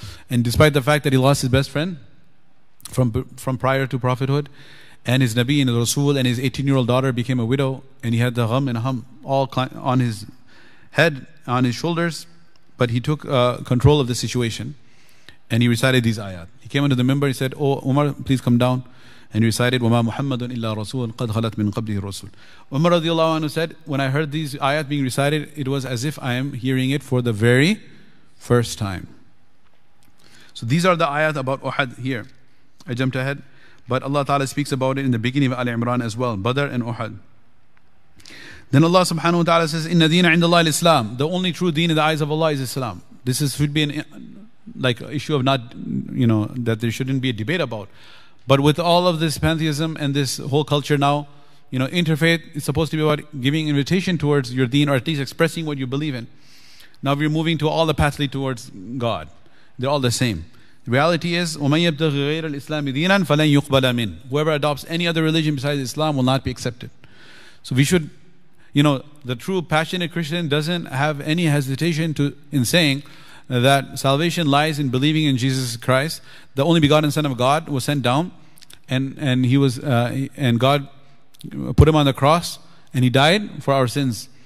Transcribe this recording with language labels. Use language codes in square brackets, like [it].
[en] And despite the fact that he lost his best friend from prior to prophethood, and his Nabi and his Rasul and his 18-year-old daughter became a widow, and he had the gham and hum all on his head, on his shoulders, but he took control of the situation and he recited these ayat. He came unto the member, he said, "Oh Umar, please come down." And he recited, [ar] وَمَا مُحَمَّدٌ إِلَّا رَسُولٌ قَدْ خَلَتْ مِنْ قَبْلِهِ الرَّسُولُ. [en] Umar radiallahu anhu said, when I heard these ayat being recited, it was as if I am hearing it for the very first time. So these are the ayat about Uhud here. I jumped ahead. But Allah Ta'ala speaks about it in the beginning of Ali Imran as well, Badr and Uhud. Then Allah subhanahu wa ta'ala says, [ar] إِنَّ دِينَ عِنْدَ اللَّهِ الْإِسْلَامِ. [en] The only true deen in the eyes of Allah is Islam. This should be an like issue of not, you know, that there shouldn't be a debate about. But with all of this pantheism and this whole culture now, you know, interfaith is supposed to be about giving invitation towards your deen, or at least expressing what you believe in. Now we're moving to all the paths lead towards God. They're all the same. The reality is, [ar] وَمَن يَبْتَغِ غَيْرَ الْإِسْلَامِ دِينًا فَلَن يُقْبَلَ مِنْ. [en] Whoever adopts any other religion besides Islam will not be accepted. So we should, you know, the true passionate Christian doesn't have any hesitation in saying that salvation lies in believing in Jesus Christ, the only begotten Son of God, was sent down, and God put him on the cross, and he died for our sins.